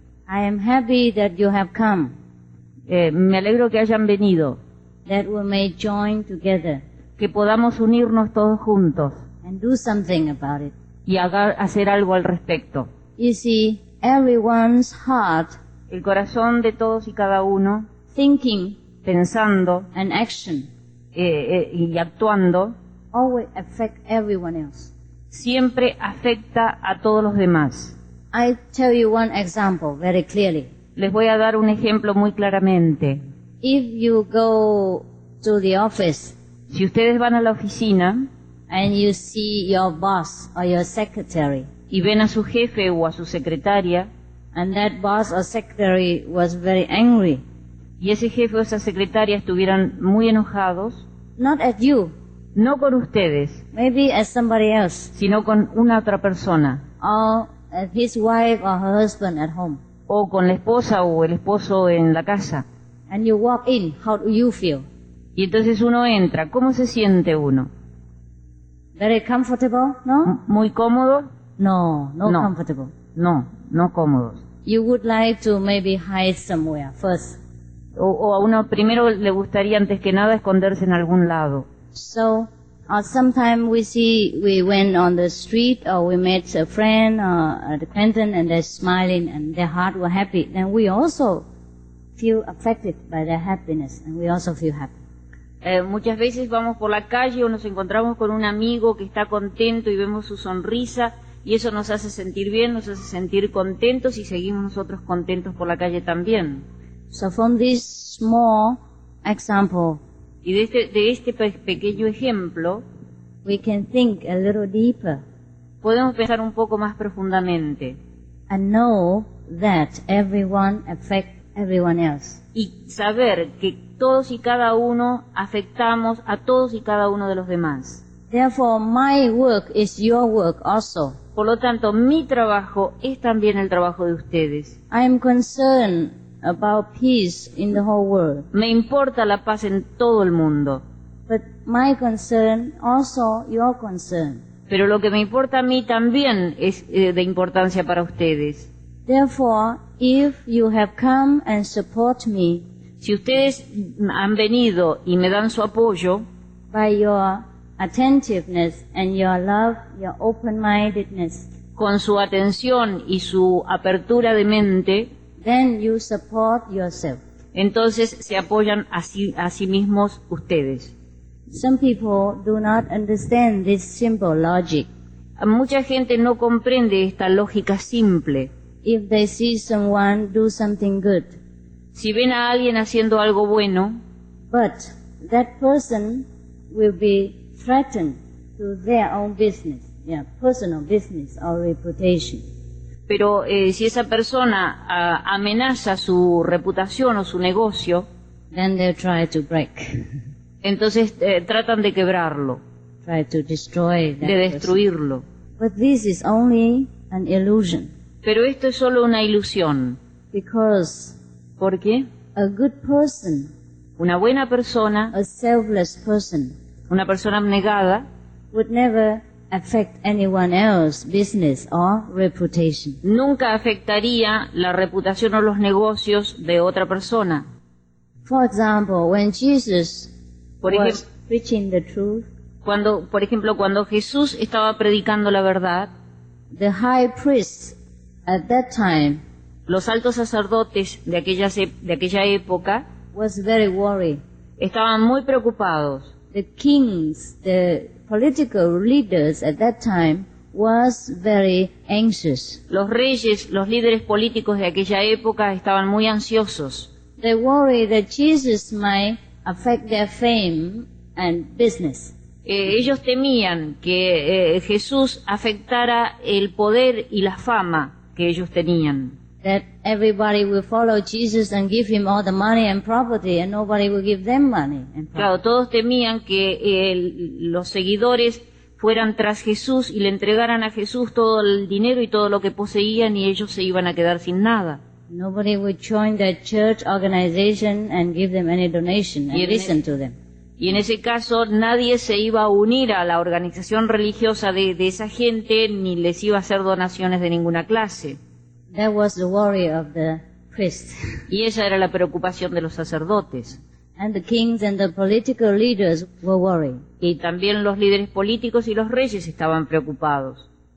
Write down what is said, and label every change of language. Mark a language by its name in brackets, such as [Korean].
[English] I am happy that you have come. [Spanish] Me alegro que hayan venido. [English] That we may join together. [Spanish] Que podamos unirnos todos juntos. [English] And do something about it. [Spanish] Y hacer algo al respecto. [English] You see, everyone's heart. [Spanish] El corazón de todos y cada uno. [English] Thinking. [Spanish] Pensando. [English] And action. [Spanish] Y actuando. [English] Always affect everyone else. [Spanish] Siempre afecta a todos los demás. [English] I tell you one example very clearly. [Spanish] Les voy a dar un ejemplo muy claramente. [English] If you go to the office. [Spanish] Si ustedes van a la oficina. [English] And you see your boss or your secretary. [Spanish] Y ven a su jefe o a su secretaria. [English] And that boss or secretary was very angry. [Spanish] Y ese jefe o esa secretaria estuvieran muy enojados. [English] Not at you. [Spanish] No con ustedes. [English] Maybe at somebody else. [Spanish] Sino con una otra persona. [English] Or at his wife or her husband at home. [Spanish] O con la esposa o el esposo en la casa. [English] And you walk in. How do you feel? [Spanish] Y entonces uno entra. ¿Cómo se siente uno? [English] Very comfortable, no? [Spanish] Muy cómodo? [English] No, comfortable. [Spanish] No cómodos. [English] You would like to maybe hide somewhere first. [Spanish] O a uno primero le gustaría antes que nada esconderse en algún lado. [English] So, sometimes we went on the street or we met a friend or an acquaintance and they're smiling and their heart were happy. Then we also feel affected by their happiness and we also feel happy. [Spanish] Muchas veces vamos por la calle o nos encontramos con un amigo que está contento y vemos su sonrisa y eso nos hace sentir bien, nos hace sentir contentos y seguimos nosotros contentos por la calle también. [English] So from this small example, [Spanish] y de este pequeño ejemplo, [English] we can think a little deeper. [Spanish] Podemos pensar un poco más profundamente. [English] And know that everyone affects everyone else. [Spanish] Y saber que todos y cada uno afectamos a todos y cada uno de los demás. [English] Therefore, my work is your work also. [Spanish] Por lo tanto, mi trabajo es también el trabajo de ustedes. [English] I am concerned about peace in the whole world. [Spanish] Me importa la paz en todo el mundo. [English] But my concern also your concern. [Spanish] Pero lo que me importa a mí también es de importancia para ustedes. [English] Therefore, if you have come and support me, [Spanish] si ustedes han venido y me dan su apoyo, [English] by your attentiveness and your love, your open-mindedness, [Spanish] con su atención y su apertura de mente, [English] then you support yourself. [Spanish] Entonces se apoyan a sí mismos ustedes. [English] Some people do not understand this simple logic. [Spanish] Mucha gente no comprende esta lógica simple. [English] If they see someone do something good, [Spanish] si ven a alguien haciendo algo bueno, [English] but that person will be threatened to their own business, yeah, personal business or reputation. [Spanish] Pero si esa persona amenaza su reputación o su negocio, [English] then they'll try to break. [Spanish] Entonces tratan de quebrarlo, [English] try to destroy that, [Spanish] de destruirlo. [English] Person. But this is only an illusion. [Spanish] Pero esto es solo una ilusión. [English] Because [Spanish] ¿por qué? [English] A good person, [Spanish] una buena persona, [English] a selfless person, [Spanish] una persona abnegada, [English] would never affect anyone else's business or reputation. [Spanish] Nunca afectaría la reputación o los negocios de otra persona. [English] For example, when Jesus was preaching the truth, [Spanish] cuando Jesús estaba predicando la verdad, [English] the high priest at that time, [Spanish] los altos sacerdotes de aquella época, [English] was very worried. [Spanish] Estaban muy preocupados. [English] The kings, the political leaders at that time, was very anxious. [Spanish] Los reyes, los líderes políticos de aquella época, estaban muy ansiosos. [English] They worried that Jesus might affect their fame and business. [Spanish] Ellos temían que Jesús afectara el poder y la fama que ellos tenían. [English] That everybody will follow Jesus and give him all the money and property, and nobody will give them money. [Spanish] Claro, todos temían que los seguidores fueran tras Jesús y le entregaran a Jesús todo el dinero y todo lo que poseían y ellos se iban a quedar sin nada. [English] Nobody would join their church organization and give them any donation and listen to them. [Spanish] Y en ese caso nadie se iba a unir a la organización religiosa de esa gente ni les iba a hacer donaciones de ninguna clase. [English] That was the worry of the priest. [Spanish] Y esa era la preocupación de los sacerdotes. [English] And the kings and the political leaders were worried. [Spanish] Y también los líderes políticos y los reyes estaban preocupados.